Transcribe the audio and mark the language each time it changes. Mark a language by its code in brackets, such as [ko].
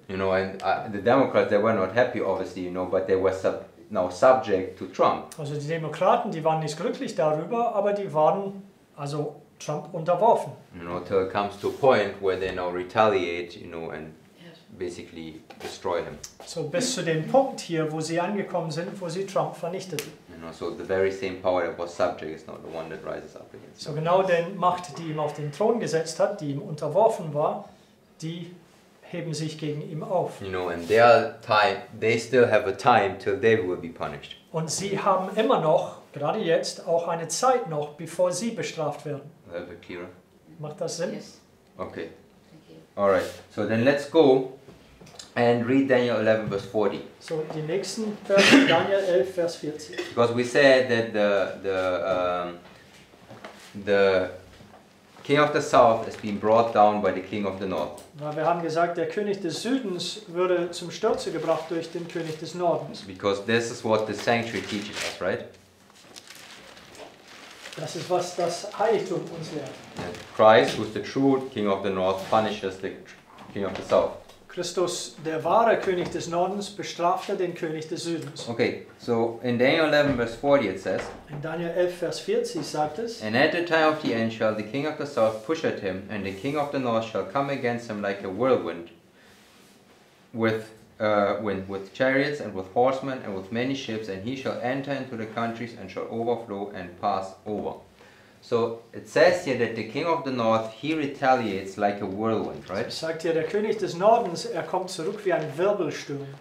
[en] You know, and the Democrats, they were not happy, obviously, you know, but they were now subject to Trump. [de] Also die Demokraten, die waren nicht glücklich darüber, aber die waren also Trump unterworfen. [en] You know, till it comes to a point where they now retaliate, you know, and basically destroy him. [de] So bis zu dem Punkt hier, wo sie angekommen sind, wo sie Trump vernichteten. [en] You know, so the very same power that was subject is not the one that rises up against. [de] So genau den Macht, die ihm auf den Thron gesetzt hat, die ihm unterworfen war, die heben sich gegen ihm auf. [en] You know, and their time, they still have a time till they will be punished. [de] Und sie haben immer noch Gerade jetzt, auch eine Zeit noch, bevor sie bestraft werden. Herr Kira. Macht das Sinn? [en] Yes. Okay. All right. So then let's go and read Daniel 11, verse 40. So the next verse, Daniel 11, verse 40. Because we said that the king of the south has been brought down by the king of the north. [de] Weil wir haben gesagt, der König des Südens würde zum Sturz gebracht durch den König des Nordens. [en] Because this is what the sanctuary teaches us, right? [de] Das ist, was das Heiligtum uns lehrt. [en] And Christ, who is the true king of the north, punishes the king of the south. [de] Christus, der wahre König des Nordens, bestraft den König des Südens. [en] Okay, so in Daniel 11, verse 40 it says, [de] in Daniel 11, verse 40 sagt es, [en] and at the time of the end shall the king of the south push at him, and the king of the north shall come against him like a whirlwind, with chariots and with horsemen and with many ships, and he shall enter into the countries and shall overflow and pass over. So it says here that the king of the north, he retaliates like a whirlwind, right? [de] Es sagt hier, der König des Nordens, er kommt zurück wie ein Wirbelsturm.